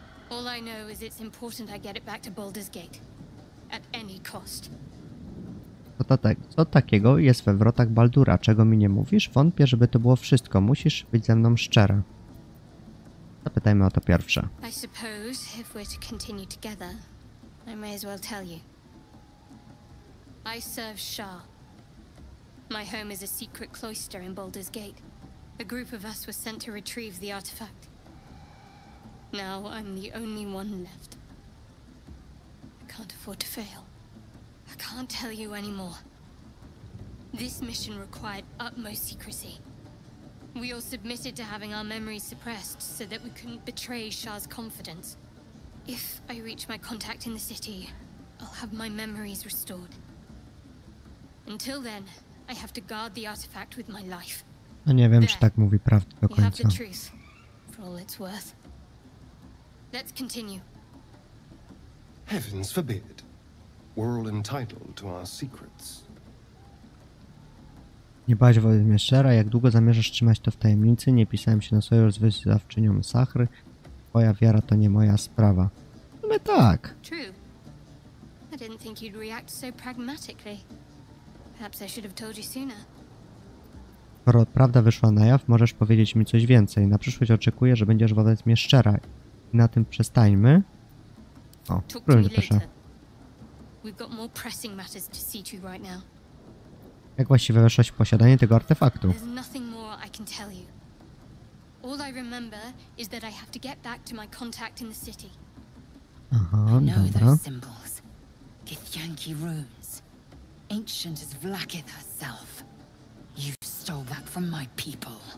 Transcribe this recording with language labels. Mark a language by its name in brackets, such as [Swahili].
[English] All I know is it's important I get it back to Baldur's Gate. At any cost. [Polish] Co takiego jest we wrotach Baldura? Czego mi nie mówisz? Wątpię, żeby to było wszystko. Musisz być ze mną szczera. Zapytajmy o to pierwsze. [English] I suppose if we're to continue together, I may as well tell you. I serve Shah. My home is a secret cloister in Baldur's Gate. A group of us was sent to retrieve the artifact. Now I'm the only one left. I can't afford to fail. I can't tell you anymore. This mission required utmost secrecy. We all submitted to having our memories suppressed so that we couldn't betray Shah's confidence. If I reach my contact in the city, I'll have my memories restored. Until then, I have to guard the artifact with my life. [Polish] No nie wiem, czy tak mówi prawdę do końca. [English] You have the truth. for all it's worth. Let's continue. Heavens forbid. We're all entitled to our secrets. [Polish] Nie bać wody mnie szczera, jak długo zamierzasz trzymać to w tajemnicy, nie pisałem się na sojusz z wyzwawczynią Sachry. Twoja wiara to nie moja sprawa. No tak. [English] True. I didn't think you'd react so pragmatically. Perhaps I should have told you sooner. [Polish] Skoro prawda wyszła na jaw, możesz powiedzieć mi coś więcej. Na przyszłość oczekuję, że będziesz wobec mnie szczera. I na tym przestańmy. O, próbujmy, proszę. [English] We've got more pressing matters to see to right now. [Polish] Jak właściwie weszłaś w posiadanie tego artefaktu? [English] There's nothing more I can tell you. All I remember is that I have to get back to my contact in the city. [Polish] Aha, dobra. [English] Those symbols. Githyanki runes. Ancient as Vlakith herself. You stole that from my people.